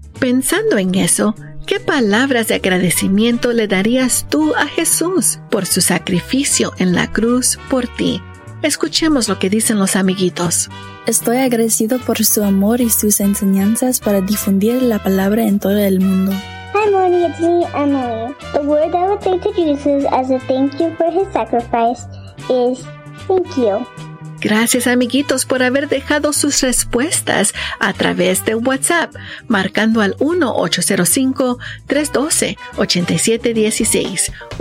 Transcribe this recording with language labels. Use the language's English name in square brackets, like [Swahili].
[Spanish] Pensando en eso, ¿qué palabras de agradecimiento le darías tú a Jesús por su sacrificio en la cruz por ti? Escuchemos lo que dicen los amiguitos. Estoy agradecido por su amor y sus enseñanzas para difundir la palabra en todo el mundo. [English] Hi, Moni, it's me, Emily. The word I would say to Jesus as a thank you for his sacrifice is thank you. [Spanish] Gracias, amiguitos, por haber dejado sus respuestas a través de WhatsApp, marcando al 1-805-312-8716.